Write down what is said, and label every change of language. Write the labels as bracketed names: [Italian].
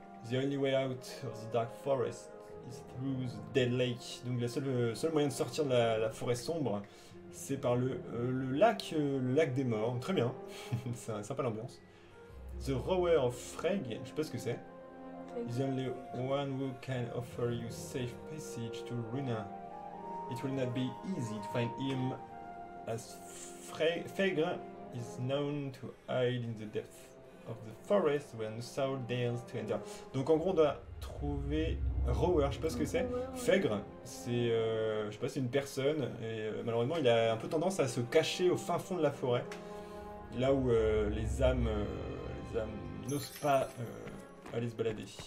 [English] The only way out of the dark forest is through the dead lake. [French] Donc le seul moyen de sortir de la forêt sombre, c'est par le lac des morts. Très bien. C'est sympa l'ambiance. The Rower of Freg, je sais pas ce que c'est. [English] The only one who can offer you safe passage to Runa. It will not be easy to find him as Fregr is known to hide in the depth of the forest where no soul dares to enter. [French] Donc en gros, on doit trouver Rower, je sais pas ce que c'est. Fregr, c'est je sais pas, c'est une personne et malheureusement, il a un peu tendance à se cacher au fin fond de la forêt, là où les âmes n'osent pas aller se balader.